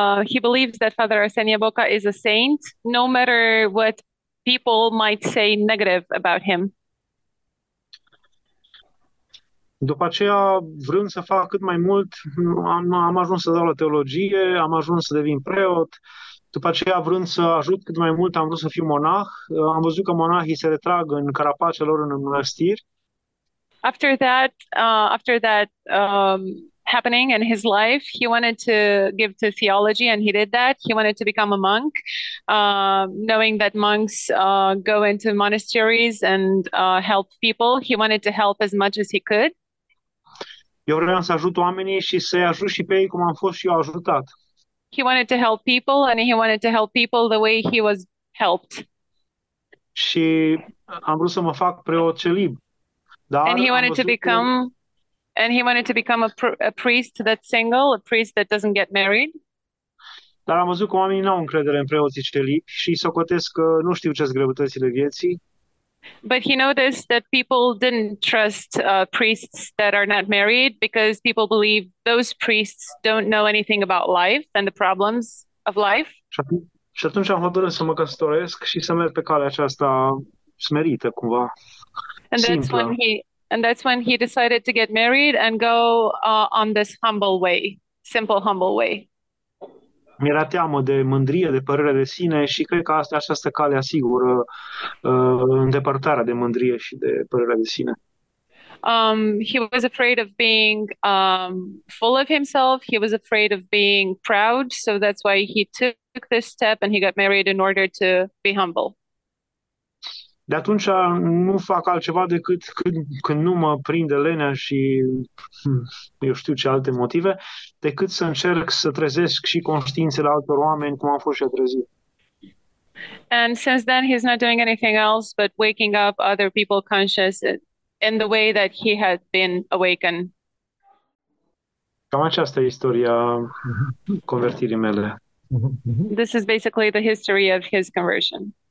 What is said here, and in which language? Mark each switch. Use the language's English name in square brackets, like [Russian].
[English] He believes that Father Arsenie Boca is a saint, no matter what people might say negative about him. [Romanian] După aceea, vrând să fac cât mai mult, am ajuns să dau la teologie, am ajuns să devin preot. După aceea, vrând să ajut cât mai mult, am vrut să fiu monah. Am văzut că monahii se retrag în carapacele lor în mănăstiri. [English] After that happening in his life, he wanted to give to theology and he did that. He wanted to become a monk, knowing that monks go into monasteries and help people. He wanted to help as much as he could. [Romanian] Eu vreau să ajut oamenii și să-i ajut și pe ei cum am fost și eu ajutat. [English] He wanted to help people, and he wanted to help people the way he was helped. [Romanian] Și am vrut să mă fac preot celib. [English] And he wanted to become a priest that's single, a priest that doesn't get married. [Romanian] Dar am văzut că oamenii nu au încredere în preoții celibi și socotesc că nu știu ce-s greutățile vieții. [English] But he noticed that people didn't trust priests that are not married because people believe those priests don't know anything about life and the problems of life. [Romanian] Și atunci am hotărât să mă căsătoresc și să merg pe calea aceasta smerită, cumva, [English] and that's [Romanian] simplă. [English] when he decided to get married and go on this humble way, simple, humble way. [Romanian] Mi-era teamă de mândrie, de părere de sine și cred că asta această cale asigură îndepărtarea de mândrie și de părere de sine. [English] He was afraid of being full of himself. He was afraid of being proud. So that's why he took this step and he got married in order to be humble. [Romanian] De atunci nu fac altceva decât când nu mă prinde lenea și eu știu ce alte motive, decât să încerc să trezesc și conștiințele altor oameni cum am fost și-a trezit. [English] And since then he's not doing anything else but waking up other people conscious in the way that he had been awakened. [Romanian] Cam aceasta e istoria convertirii mele. [English] This is basically the history of his conversion.